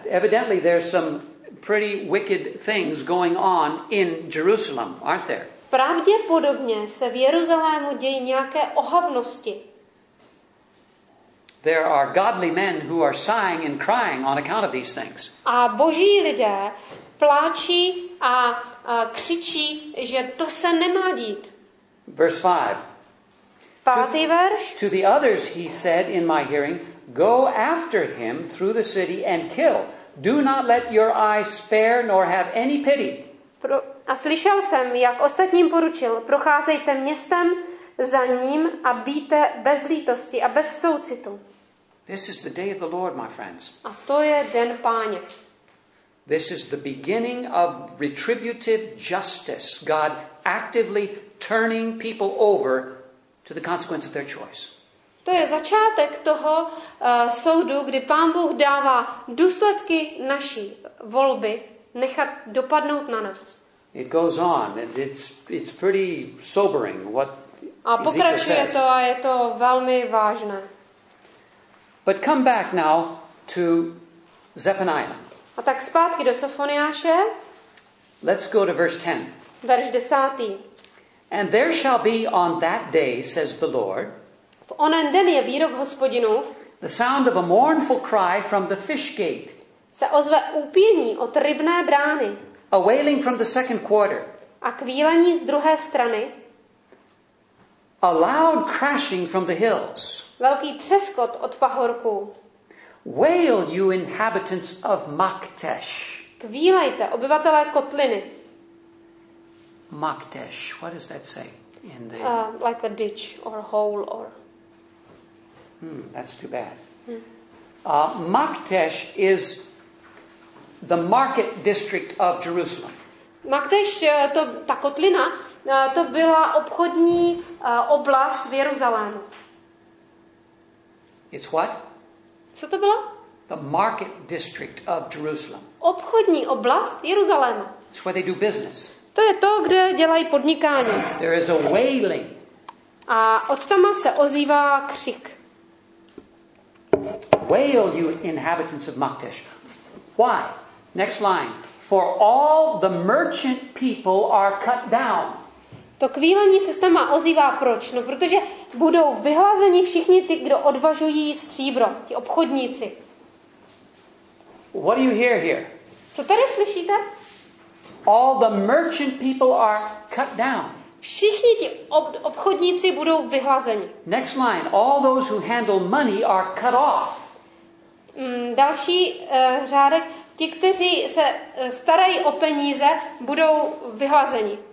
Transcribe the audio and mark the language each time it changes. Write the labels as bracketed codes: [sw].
[en] Evidently there's some pretty wicked things going on in Jerusalem, aren't there? [cs] Pravděpodobně se v Jeruzalému dějí nějaké ohavnosti. [en] There are godly men who are sighing and crying on account of these things. [cs] A boží lidé pláčí a křičí, že to se nemá dít. [en] Verse 5. [cs] Pátý verš. [en] To the others he said in my hearing, go after him through the city and kill. Do not let your eye spare nor have any pity. [cs] A slyšel jsem, jak ostatním poručil, procházejte městem za ním a bijte bez lítosti a bez soucitu. [en] This is the day of the Lord, my friends. [cs] A to je den Páně. [en] This is the beginning of retributive justice. God actively turning people over to the consequence of their choice. [cs] To je začátek toho soudu, kdy Pán Bůh dává důsledky naší volby nechat dopadnout na nás. [en] It goes on. It's pretty sobering what [cs] a pokračuje to a je to velmi vážné. [en] But come back now to Zephaniah. [cs] A tak zpátky do Sofoniáše. [en] Let's go to verse 10. [cs] Verš 10. [en] And there shall be on that day, says the Lord, [cs] v onen den je výrok Hospodinův, [en] the sound of a mournful cry from the fish gate, [cs] se ozve úpění od rybné brány, [en] a wailing from the second quarter, [cs] a kvílení z druhé strany, [en] a loud crashing from the hills, [cs] velký třeskot od pahorků. [en] Wail, you inhabitants of Maktesh. [cs] Kvílejte, obyvatelé kotliny. [en] Maktesh, what does that say? In the like a ditch or a hole or... That's too bad. Maktesh is the market district of Jerusalem. [cs] Maktesh, to ta kotlina, To byla obchodní oblast v Jeruzalému. [en] It's what? [cs] Co to bylo? [en] The market district of Jerusalem. [cs] Obchodní oblast Jeruzaléma. [en] It's where they do business. [cs] To je to, kde dělají podnikání. [en] There is a wailing. [cs] A odtama se ozývá křik. [en] Wail, you inhabitants of Maktesh. Why? Next line. For all the merchant people are cut down. [cs] To kvílení se tam ozývá proč? No, protože budou vyhlazeni všichni ti, kdo odvažují stříbro, ti obchodníci. [en] What do you hear here? [cs] Co tady slyšíte? [en] All the merchant people are cut down. [cs] Všichni ti obchodníci budou vyhlazeni. [en] Next line. All those who handle money are cut off. [cs] Další řádek. Ti, kteří se starají o peníze, budou vyhlazeni.